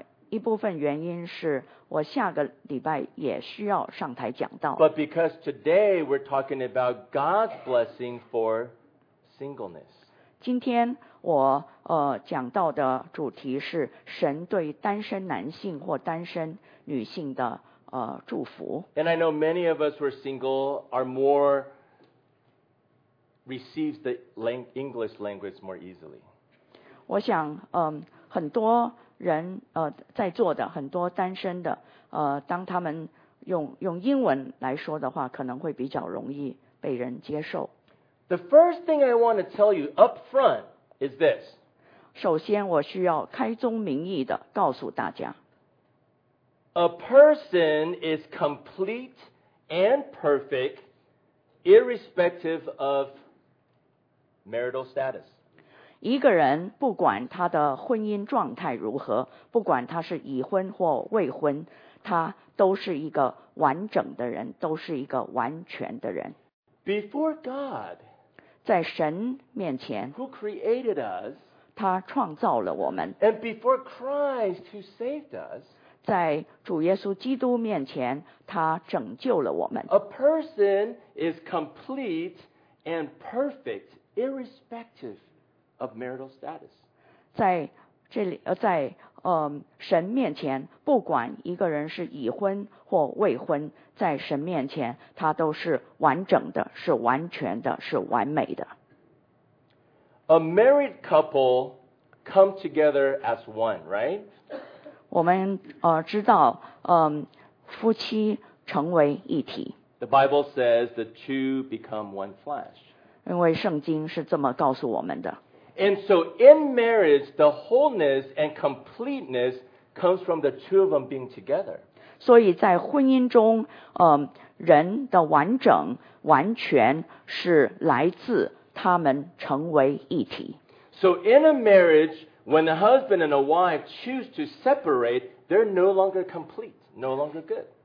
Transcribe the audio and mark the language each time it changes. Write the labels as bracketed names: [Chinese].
[Chinese] 一部分原因是我下个礼拜也需要上台讲道。 [English] But because today we're talking about God's blessing for singleness. [Chinese] 今天我讲到的主题是神对单身男性或单身女性的祝福。 [English] And I know many of us who are single are more receives the English language more easily. [Chinese] 我想很多人在座的很多单身的当他们用英文来说的话可能会比较容易被人接受。 [English] The first thing I want to tell you up front is this. [Chinese] 首先我需要开宗明义的告诉大家。 [English] A person is complete and perfect irrespective of marital status. [Chinese] 一个人不管他的婚姻状态如何，不管他是已婚或未婚，他都是一个完整的人，都是一个完全的人。 [English] Before God, [Chinese] 在神面前， [English] who created us, [Chinese] 他创造了我们。 [English] And before Christ, who saved us, [Chinese] 在主耶稣基督面前，他拯救了我们。 [English] A person is complete and perfect irrespective of marital status. [Chinese] 在这里，在神面前，不管一个人是已婚或未婚，在神面前，他都是完整的，是完全的，是完美的。 [English] A married couple come together as one, right? [Chinese] 我们知道夫妻成为一体。 [English] The Bible says the two become one flesh. [Chinese] 因为圣经是这么告诉我们的。 [English] And so in marriage, the wholeness and completeness comes from the two of them being together. [Chinese] 所以在婚姻中人的完整完全是来自他们成为一体。 [English] So in a marriage,When a husband and a wife choose to separate, they're no longer complete, no longer good.